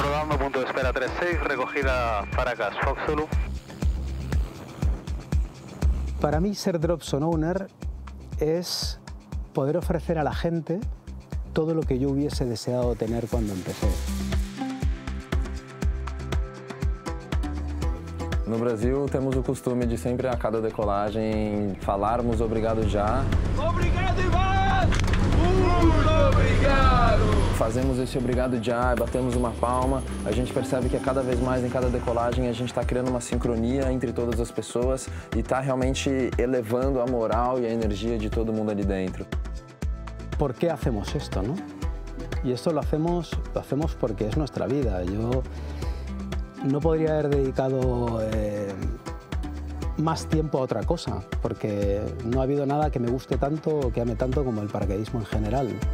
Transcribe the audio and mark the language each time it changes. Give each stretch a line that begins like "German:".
Spanish: Rodando punto de espera 36, recogida Paracas Fox Zulu. Para mí, ser drop zone owner es poder ofrecer a la gente todo lo que yo hubiese deseado tener cuando empecé.
Portuguese: No Brasil temos o costume de sempre a cada decolagem falarmos obrigado já. Obrigado, Ivan! Muito obrigado! Fazemos esse obrigado já, batemos uma palma. A gente percebe que cada vez mais em cada decolagem a gente está criando uma sincronia entre todas as pessoas e está realmente elevando a moral e a energia de todo mundo ali dentro.
Spanish: ¿Por qué hacemos esto, no? Y esto lo hacemos porque es nuestra vida. Yo no podría haber dedicado más tiempo a otra cosa, porque no ha habido nada que me guste tanto o que ame tanto como el paracaidismo en general.